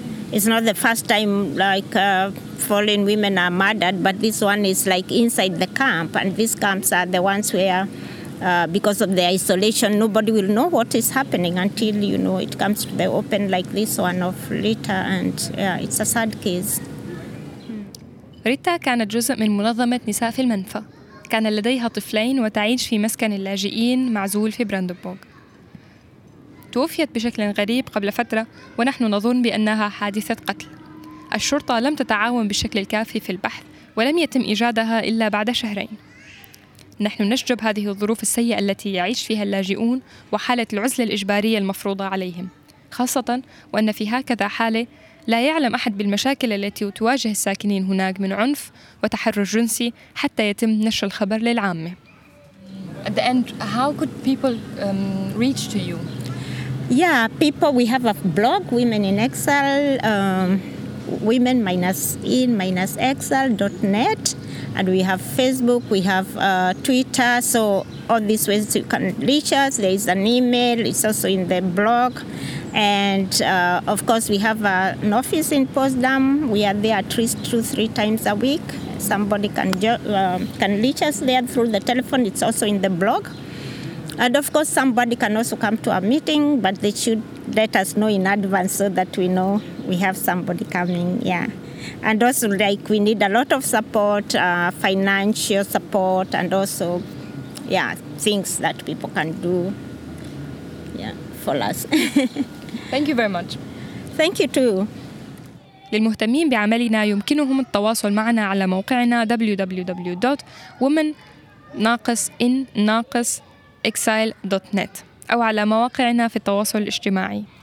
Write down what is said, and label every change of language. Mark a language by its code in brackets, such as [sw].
[en] It's not the first time like fallen women are murdered, but this one is like inside the camp, and these camps are the ones where because of the isolation, nobody will know what is happening until, you know, it comes to the open like this one of Rita, and yeah, it's a sad case. [ar] Rita كانت جزء من منظمة نساء في المنفى. كان لديها طفلين وتعيش في مسكن اللاجئين معزول في براندنبورغ. توفيت بشكل غريب قبل فترة ونحن نظن بأنها حادثة قتل. الشرطة لم تتعاون بالشكل الكافي في البحث ولم يتم إيجادها إلا بعد شهرين. نحن نشجب هذه الظروف السيئة التي يعيش فيها اللاجئون وحالة العزلة الإجبارية المفروضة عليهم، خاصة وأن في هكذا حالة لا يعلم أحد بالمشاكل التي تواجه الساكنين هناك من عنف وتحرش جنسي حتى يتم نشر الخبر للعامة. [en] At the end, how could people reach to you? Yeah, people, we have a blog, Women in Exile, women-in-exile.net, and we have Facebook, we have Twitter, so all these ways you can reach us. There is an email, it's also in the blog, and of course we have an office in Potsdam. We are there at least 2-3 times a week. Somebody can reach us there through the telephone, it's also in the blog. And of course somebody can also come to a meeting, but they should let us know in advance so that we know we have somebody coming, yeah. And also, like, we need a lot of support, financial support, and also, yeah, things that people can do, yeah, for us. Thank you very much. Thank you too. [ar] للمهتمين بعملنا يمكنهم التواصل معنا على موقعنا www.women-in-exile.net أو على مواقعنا في التواصل الاجتماعي.